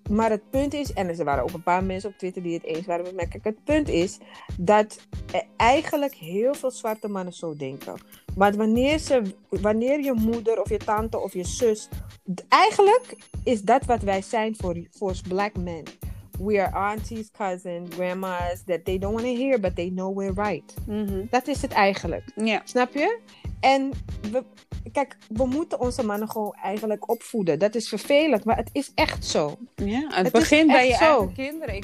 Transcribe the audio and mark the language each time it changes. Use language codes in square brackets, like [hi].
[nl] Maar het punt is, en er waren ook een paar mensen op Twitter die het eens waren met mij. Kijk, het punt is dat eigenlijk heel veel zwarte mannen zo denken. Want wanneer je moeder of je tante of je zus... Eigenlijk is dat wat wij zijn voor black men. [en] We are aunties, cousins, grandmas that they don't want to hear, but they know we're right. Mm-hmm. [nl] Dat is het eigenlijk. [en] Yeah. [nl] Snap je? En we moeten onze mannen gewoon eigenlijk opvoeden. Dat is vervelend, maar het is echt zo. Ja, het begint bij je eigen kinderen.